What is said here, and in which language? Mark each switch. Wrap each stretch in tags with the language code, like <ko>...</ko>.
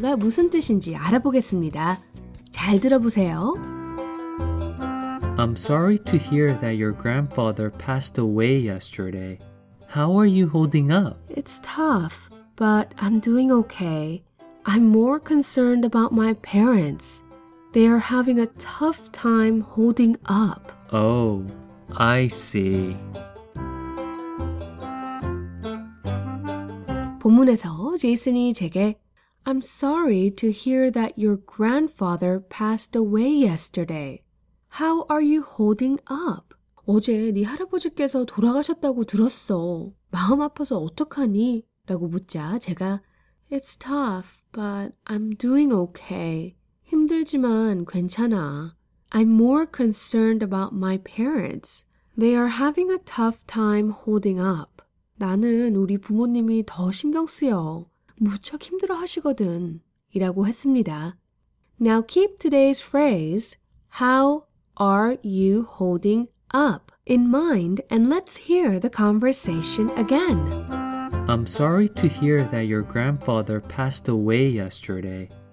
<ko>가 무슨 뜻인지 알아보겠습니다. 잘 들어보세요.</ko> <en>I'm sorry to hear that your grandfather passed away yesterday. How are you holding up? It's tough, but I'm doing okay. I'm more concerned about my parents. They are having a tough time holding up. Oh, I see.</en> <ko>본문에서 제이슨이 제게</ko> <en>I'm sorry to hear that your grandfather passed away yesterday. How are you holding up?</en> <ko>어제 네 할아버지께서 돌아가셨다고 들었어. 마음 아파서 어떡하니? 라고 묻자 제가</ko> <en>It's tough, but I'm doing okay.</en> <ko>힘들지만 괜찮아.</ko> <en>I'm more concerned about my parents. They are having a tough time holding up.</en> <ko>나는 우리 부모님이 더 신경 쓰여. 무척 힘들어 하시거든. 이라고 했습니다.</ko> <en>Now keep today's phrase, How are you holding up? In mind, and let's hear the conversation again. I'm sorry to hear that your grandfather passed away yesterday.</en>